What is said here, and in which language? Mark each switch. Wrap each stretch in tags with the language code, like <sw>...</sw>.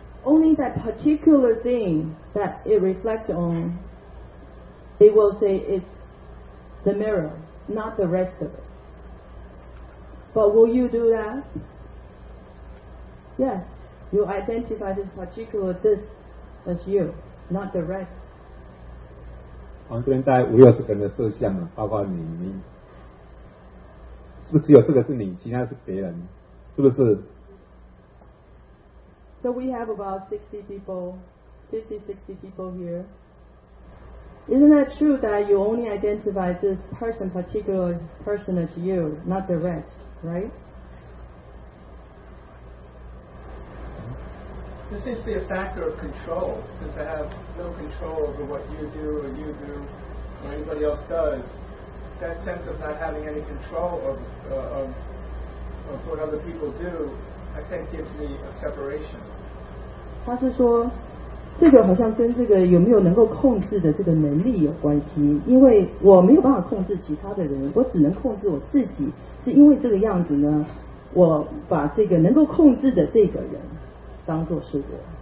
<en>only that particular thing that it reflects on, they will say it's the mirror, not the rest of it. But will you do that? Yes. You identify this particular this as you, not the rest.</en> <zh>我们这边带五六十个人的摄像，包括你，你是不是只有这个是你，其他是别人，是不是？</zh> <en>So we have about 60 people, 50, 60 people here. Isn't that true that you only identify this person, particular person as you, not the rest, right? This seems to be a factor of control, since I have no control over what you do or you do or anybody else does. That sense of not having any control of what other people do, I think gives me a separation.</en> <zh>他是说这个好像跟这个有没有能够控制的这个能力有关系，因为我没有办法控制其他的人，我只能控制我自己，是因为这个样子呢，我把这个能够控制的这个人当作是我。</zh>